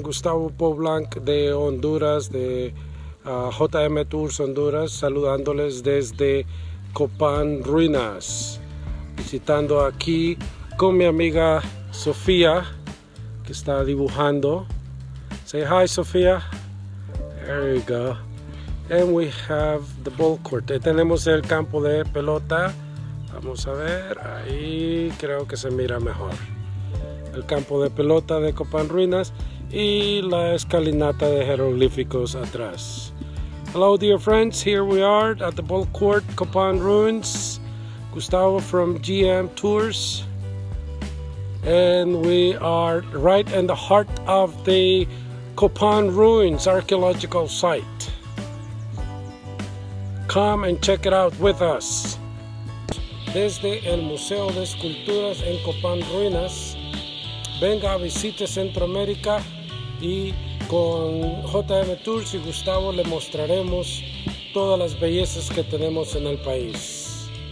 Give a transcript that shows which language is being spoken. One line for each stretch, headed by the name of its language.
Spanish: Gustavo Poblanc de Honduras, de JM Tours Honduras, saludándoles desde Copán Ruinas, visitando aquí con mi amiga Sofía, que está dibujando.
English: Say hi, Sofía. There you go. And we have the ball court.
Spanish: Tenemos el campo de pelota. Vamos a ver, ahí creo que se mira mejor. El campo de pelota de Copán Ruinas y la escalinata de jeroglíficos atrás.
English: Hello, dear friends. Here we are at the ball court, Copán Ruins. Gustavo from GM Tours. And we are right in the heart of the Copán Ruins archaeological site. Come and check it out with us.
Spanish: Desde el Museo de Esculturas en Copán Ruinas, venga, visite Centroamérica y con JM Tours y Gustavo le mostraremos todas las bellezas que tenemos en el país.